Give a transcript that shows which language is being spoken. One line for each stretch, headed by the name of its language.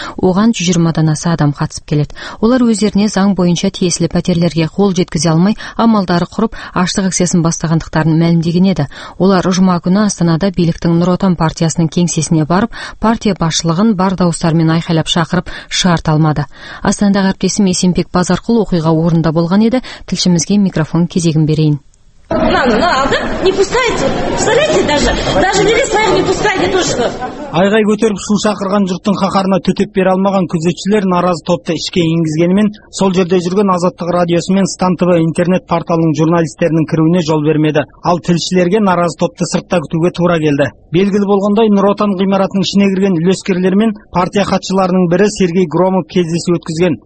Kazakh: Оған 120-дан аса адам қатысып келеді. Олар өздеріне заң бойынша тиесілі пәтерлерге қол жеткізе алмай, амалдары құрып, аштық акциясын бастағандықтарын мәлімдеген еді. Олар жұма күні Астанада биліктің Нұр Отан партиясының кеңсесіне барып, партия басшылығын бар дауыстарымен айқайлап шақырып, шарт алмады. Астанадағы әріптесім Есенбек Базарқұл оқиға орнында болған еді. Тілшімізге микрофон кезегін берейін.
Russian: Надо, не пускайте. Представляете, даже не листаях не пускайте то, что...
Kazakh: Айғай көтеріп шу шақырған жұрттың қақарына төтеп бере алмаған күзетшілер наразы топты ішке енгізгенімен сол жерде жүрген Азаттық радиосы мен Стан ТВ интернет порталының журналистерінің кіруіне жол бермеді. Ал тілшілерге наразы топты сыртта күтуге тура келді. Белгілі болғандай Нұр Отан ғимаратының ішіне кірген үлескерлер мен партия хатшыларының бірі Сергей Громов кездесу өткізген.